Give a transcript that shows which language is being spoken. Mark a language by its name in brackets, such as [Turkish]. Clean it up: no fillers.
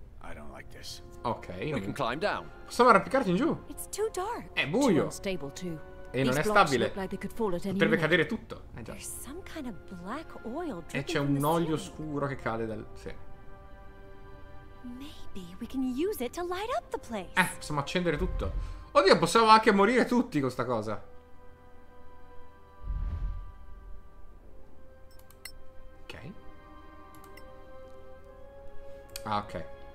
[English] I don't like this. Ok, we can climb down. [Italian] Possiamo arrampicarci in giù? [English] It's too dark. [Italian] È buio. [English] Too too. [Italian] E non è stabile. Potrebbe cadere tutto. Eh già. E c'è un olio scuro che cade dal. Sì. [English] Maybe we can use it to light up the place. [Italian] Possiamo accendere tutto. Oddio, possiamo anche morire tutti con sta cosa. Ah, ok.